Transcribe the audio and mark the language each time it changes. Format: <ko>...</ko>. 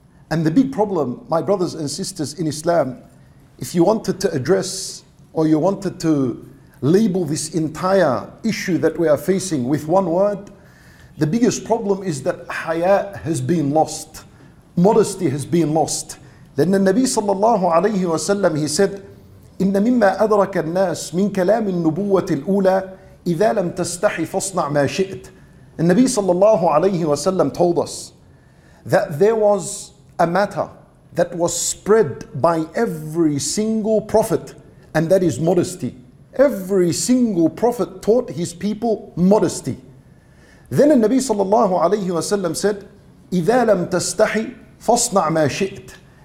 <en>And the big problem, my brothers and sisters in Islam, if you wanted to address or you wanted to label this entire issue that we are facing with one word, the biggest problem is that haya has been lost. Modesty has been lost. Then the Nabi sallallahu alayhi wa sallam, he said,</en> <ar>إِنَّ مِمَّا أَدْرَكَ النَّاسِ مِنْ كَلَامِ النُّبُوَّةِ الْأُولَى إِذَا لَمْ تَسْتَحِ فَصْنَعْ مَا شِئْتِ.</ar> <en>The Nabi sallallahu alayhi wa sallam told us that there was a matter that was spread by every single prophet, and that is modesty. Every single prophet taught his people modesty. Then the Nabi sallallahu alayhi wa sallam said,</en> <ar>إِذَا لَمْ تَسْتَحِ فَصْنَعْ مَا شِئْتِ.</ar>